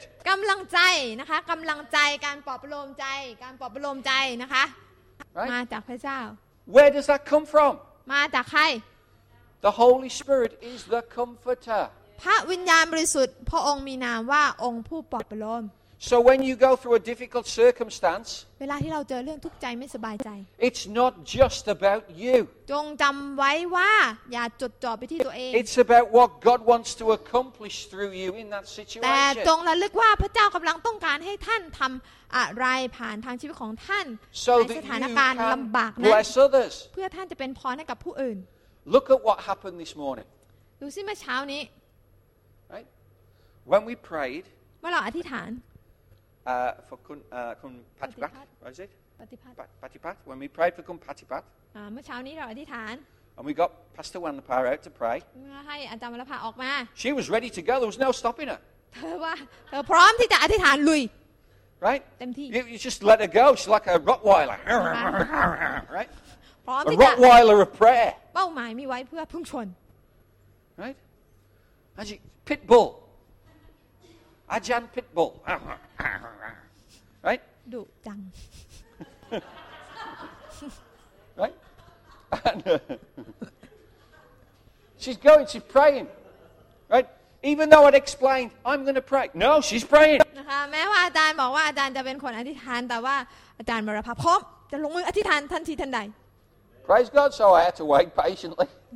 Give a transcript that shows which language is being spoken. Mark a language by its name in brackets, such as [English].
[Thai] กำลังใจนะคะกำลังใจการปลอบประโลมใจการปลอบประโลมใจนะคะ [English] right? [Thai] มาจากพระเจ้า [English] where does that come from [Thai] มาจากใคร [English] The Holy Spirit is the Comforter. [Thai] พระวิญญาณบริสุทธิ์พระองค์มีนามว่าองค์ผู้ปลอบประโลม [English] So when you go through a difficult circumstance, [Thai] เวลาที่เราเจอเรื่องทุกข์ใจไม่สบายใจ [English] It's not just about you. [Thai] จงจำไว้ว่าอย่าจดจ่อไปที่ตัวเอง [English] It's about what God wants to accomplish through you in that situation. [Thai] แต่จงระลึกว่าพระเจ้ากำลังต้องการให้ท่านทำอะไรผ่านทางชีวิตของท่านในสถานการณ์ลำบากนั้ นเพื่อท่านจะเป็นพรให้กับผู้อื่น [English] Look at what happened this morning. [Thai] ดูสิเมื่อเช้านี้ [English] Right? When we prayed. [Thai] เมื่อเราอธิษฐาน [English] For คุณปฏิภัท What is it? [Thai] ปฏิภั [English] ท When we prayed for คุณปฏิภัท [Thai] เมื่อเช้านี้เราอธิษฐาน [English] And we got Pastor Wanapa out to pray. [Thai] เมื่อให้อาจารย์วรภาออกมา [English] She was ready to go. There was no stopping her. [Thai] เธอว่าเธอพร้อมที่จะอธิษฐานลุย [English] Right? [Thai] เต็มที่ [English] You just let her go. She's like a Rottweiler. Right? A Rottweiler of prayer. [Thai] เป้าหมายมีไว้เพื่อพุ่งชน [English] Right? Ajahn Pitbull. Ajahn Pitbull. Right? [Thai] ดุจัง [English] Right? And, she's going. She's praying. Right? Even though I'd explained, I'm going to pray. No, she's praying. [Thai] นะคะแม้ว่าอาจารย์บอกว่าอาจารย์จะเป็นคนอธิษฐานแต่ว่าอาจารย์มรภาพร้อมจะลงมืออธิษฐานทันทีทันใด [English] Praise God, so I had to wait patiently.